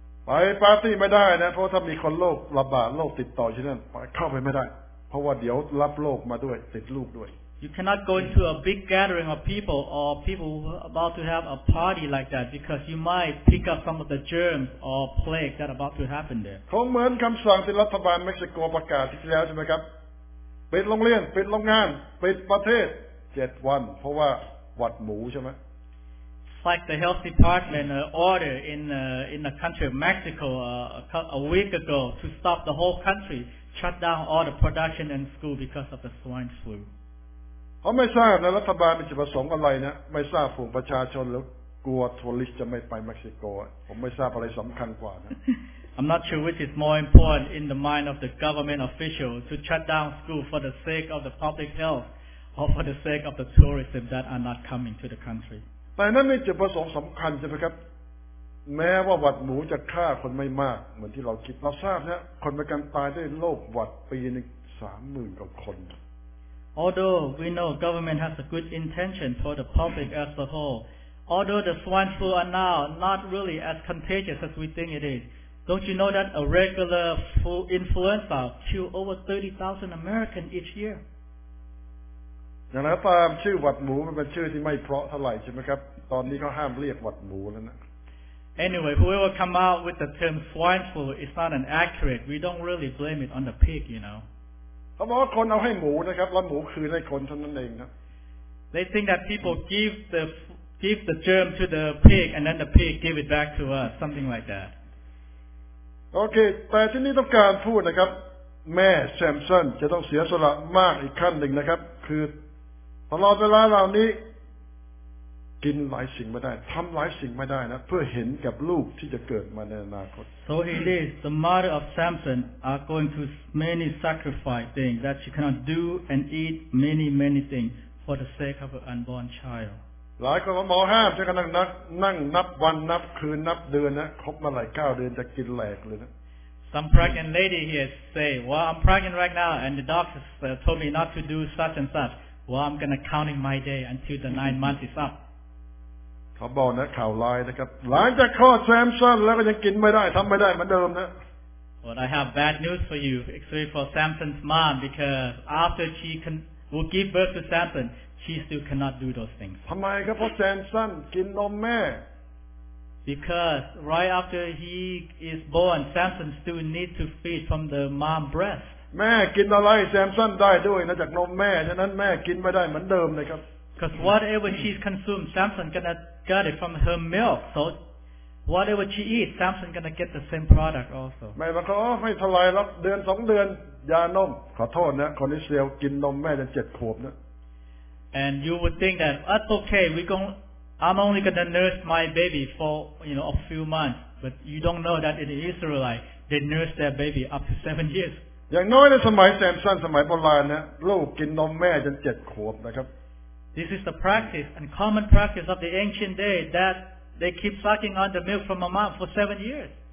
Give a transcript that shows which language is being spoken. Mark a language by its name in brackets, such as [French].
[Thai] ไปปาร์ตี้ไม่ได้นะเพราะถ้ามีคนโรคระบาดโรคติดต่อที่นั่นเข้าไปไม่ได้เพราะว่าเดี๋ยวรับโรคมาด้วยติดลูกด้วย [English] You cannot go into a big gathering of people or people who are about to have a party like that because you might pick up some of the germs or plague that about to happen there. [Thai] คงเหมือนคำสั่งที่รัฐบาลเม็กซิโกประกาศที่แล้วใช่ไหมครับปิดโรงเรียนปิดโรงงานปิดประเทศ7วันเพราะว่าหวัดหมูใช่ไหม [English] It's like the health department order in the country of Mexico a week ago to stop the whole country, shut down all the production and school because of the swine flu. [Thai] เขาไม่ทราบนะรัฐบาลมีจุดประสงค์อะไรนะไม่ทราบฝูงประชาชนแล้วกลัวทัวริสต์จะไม่ไปเม็กซิโกผมไม่ทราบอะไรสำคัญกว่านะ [English] I'm not sure which is more important in the mind of the government official to shut down school for the sake of the public health or for the sake of the tourism that are not coming to the country [Thai] แต่นั่นมีจุดประสงค์สำคัญใช่ไหมครับแม้ว่าหวัดหมูจะฆ่าคนไม่มากเหมือนที่เราคิดเราทราบนะคนประกันตายด้วยโรคหวัดปีนึง 30,000 กว่าคน [English] Although we know government has a good intention for the public as a whole, although the swine flu are now not really as contagious as we think it is, don't you know that a regular flu influenza kill over 30,000 Americans each year? [Thai] อย่างนั้นตามชื่อหวัดหมูมันเป็นชื่อที่ไม่เพราะเท่าไหร่ใช่ไหมครับตอนนี้เขาห้ามเรียกหวัดหมูแล้วนะ [English] Anyway, whoever come out with the term swine flu is not an accurate. We don't really blame it on the pig, you know. They think that people give the germ to the pig and then the pig give it back to us, something like that. [Thai] Okay, แต่ที่นี่ต้องการพูดนะครับแม่แซมสันจะต้องเสียสละมากอีกขั้นหนึ่งนะครับคือตลอดเวลาเหล่านี้กินหลายสิ่งไม่ได้ทำหลายสิ่งไม่ได้นะเพื่อเห็นกับลูกที่จะเกิดมาในอนาคต [English] So it is the mother of Samson are going to many sacrifice things that she cannot do and eat many many things for the sake of her unborn child [Thai] หลายคนหมอห้ามใช่กันนั่งนับวันนับคืนนับเดือนนะครบมาหลายเก้าเดือนจะกินแหลกเลยนะ [English] Some pregnant lady here say, well, I'm pregnant right now, and the doctor told me not to do such and such. Well, I'm going to count in my day until the 9 months is up. [Thai] ขอบอกนะข่าวลายนะครับหลังจากคลอดแซมสันแล้วก็ยังกินไม่ได้ทำไม่ได้เหมือนเดิมนะ [English] Well, I have bad news for you, especially for Samson's mom, because after she will give birth to Samson, she still cannot do those things. [Thai] ทำไมครับเพราะแซมสันกินนมแม่ [English] Because right after he is born, Samson still needs to feed from the mom breast. [Thai] แม่กินอะไรแซมสันได้ด้วยนะจากนมแม่ฉะนั้นแม่กินไม่ได้เหมือนเดิมเลยครับ [English] Because whatever she consumes, Samson gonna get it from her milk. So whatever she eats, Samson gonna get the same product also. [Thai] แม่บอกว่าไม่เท่าไรหรอกเดือน2เดือนยานมขอโทษนะคนอิสราเอลกินนมแม่จน7ขวบนะ [English] And you would think that that's okay. I'm only going to nurse my baby for, you know, a few months. But you don't know that in Israel, like, they nurse their baby up to 7 years. [Thai] อย่างน้อยในสมัยแซมสันสมัยโบราณนะลูกกินนมแม่จน7ขวบนะครับ [English] This is the practice and common practice of the ancient day that they keep sucking on the milk from a mom for 7 years.